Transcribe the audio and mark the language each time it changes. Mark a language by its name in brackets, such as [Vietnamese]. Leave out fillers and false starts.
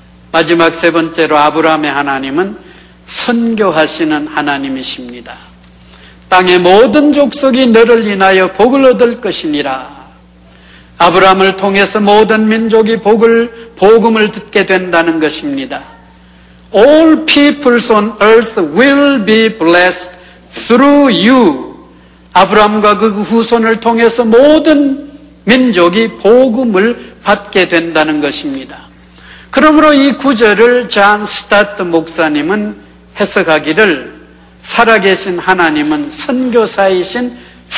[Korean] 마지막 세 번째로 아브라함의 하나님은 선교하시는 하나님이십니다. 땅의 모든 족속이 너를 인하여 복을 얻을 것이니라. 아브라함을 통해서 모든 민족이 복을 복음을 듣게 된다는 것입니다. [English] All peoples on earth will be blessed through you. [Korean] 아브라함과 그 후손을 통해서 모든 민족이 복음을 받게 된다는 것입니다. 그러므로 이 구절을 존 스타트 목사님은 해석하기를 살아계신 하나님은 선교사이신 하나님입니다.